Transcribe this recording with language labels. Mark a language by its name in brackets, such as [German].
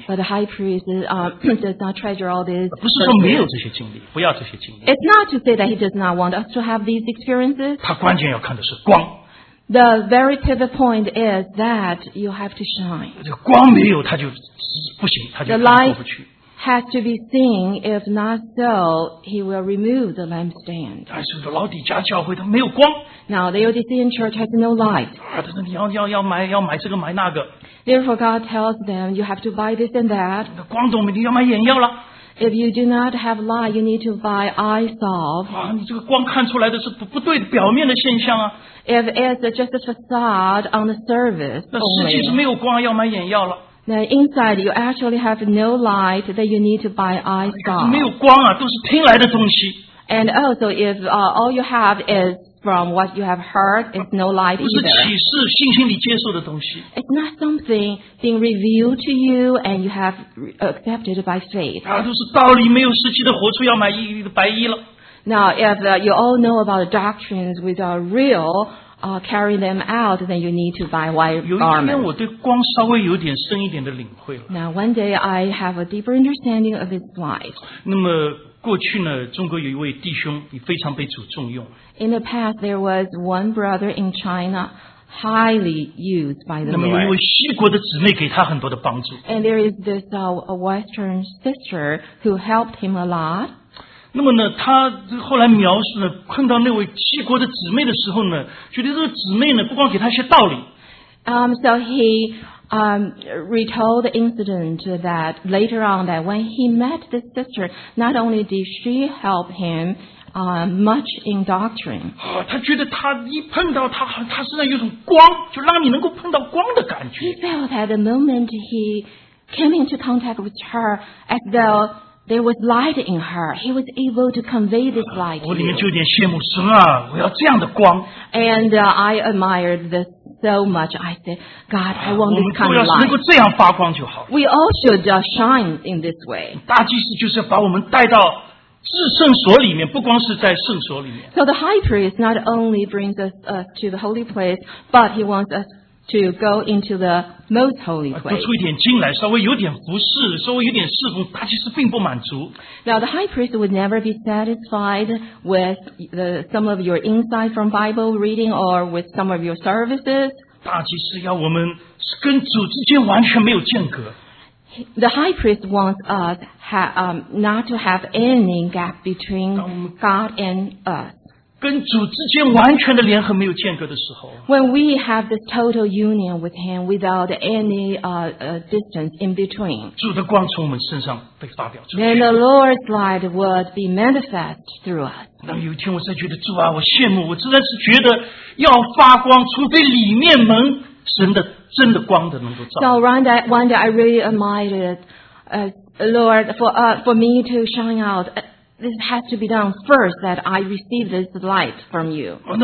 [English] But the high priest does not treasure all this. [Chinese] 不是说没有这些经历，不要这些经历。 [English] It's not to say that he does not want us to have these experiences. [Chinese] 他关键要看的是光。 [English] The very pivot point is that you have to shine. [Chinese] 这光没有，他就不行，他就过不去。 [English] Has to be seen. If not so, he will remove the lampstand. [Chinese] 但是老底家教会他没有光。 [English] Now the Laodicean church has no light. [Chinese] 他说你要买这个买那个。 [English] Therefore, God tells them you have to buy this and that. [Chinese] 光都没有，你要买眼药了。 [English] If you do not have light, you need to buy eye salve. [Chinese] 啊，你这个光看出来的是不对的表面的现象啊。 [English] If it's just a facade on the surface, [Chinese] 那实际是没有光，要买眼药了。 [English] Now inside you actually have no light that you need to buy eye salve. [Chinese] 没有光啊，都是听来的东西。 [English] And also if all you have is from what you have heard, it's no light either. [Chinese] 不是启示，信心里接受的东西。 [English] It's not something being revealed to you and you have accepted by faith. [Chinese] 啊，都是道理，没有实际的活出，要买一的白衣了。 [English] Now if you all know about the doctrines which are real,carry them out, then you need to buy white garments. Now, one day I have a deeper understanding of this light. [Chinese] 那么过去呢，中国有一位弟兄，也非常被主重用。 [English] In the past, there was one brother in China, highly used by the Lord. [Chinese] 那么有一位西国的姊妹给他很多的帮助。 [English] And there is this a Western sister who helped him a lot. [Chinese] 那么呢，他后来描述呢，看到那位七国的姊妹的时候呢，觉得这个姊妹呢，不光给他一些道理。 [English] So he retold the incident that later on that when he met the sister, not only did she help him much in doctrine. [Chinese] 他觉得他一碰到他身上有种光，就让你能够碰到光的感觉。 [English] He felt at the moment he came into contact with her as though. There was light in her. He was able to convey this light. [Chinese] 我里面就有点羡慕神啊，我要这样的光。 [English] And I admired this so much. I said, God, I want this kind of light. [Chinese] 我们都要能够这样发光就好了。 [English] We all should shine in this way. [Chinese] 大祭司就是要把我们带到 至圣所里面，不光是在圣所里面。 [English] So the high priest not only brings us to the holy place, but he wants us to go into the most holy place. [Chinese] 多出一点精来，稍微有点服侍，稍微有点侍奉，大祭司并不满足。 [English] Now the high priest would never be satisfied with some of your insight from Bible reading or with some of your services. [Chinese] 大祭司要我们跟主之间完全没有间隔。 [English] The high priest wants us not to have any gap between God and us. [Chinese] 跟主之间完全的联合没有间隔的时候, [English] when we have this total union with Him without any distance in between, [Chinese] 主的光从我们身上被发表出去, [English] then the Lord's light would be manifest through us. [Chinese] 那有一天我才觉得主啊, 我羡慕, 我真的是觉得要发光, 除非里面门, 神的, [English] so one day I really admired Lord, for me to shine out, this has to be done first, that I receive this light from you.